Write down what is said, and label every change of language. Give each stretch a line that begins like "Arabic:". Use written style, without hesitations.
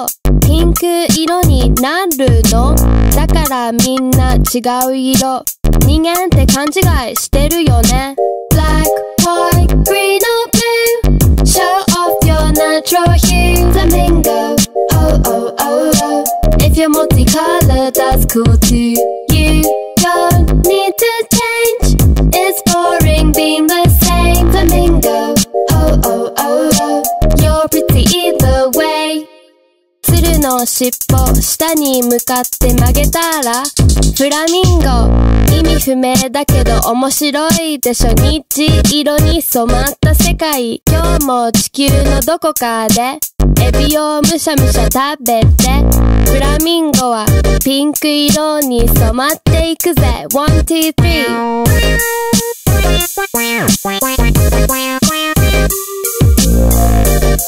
Japanese: うピンク色になるのだからみんな違う色人間って勘違いしてるよね
English: Black, white, green or blue Show off your natural hue Flamingo Oh oh oh ohIf you're multicolored, that's cool too. You don't need to change. It's boring being the same. Flamingo, oh oh oh oh. You're pretty either way.
Japanese: ツルの尻尾下に向かって曲げたら、フラミンゴ。意味不明だけど面白いでしょ。虹色に染まった世界。今日も地球のどこかで。エビをむしゃむしゃ食べてフラミンゴはピンク色に染まっていくぜ 1,2,3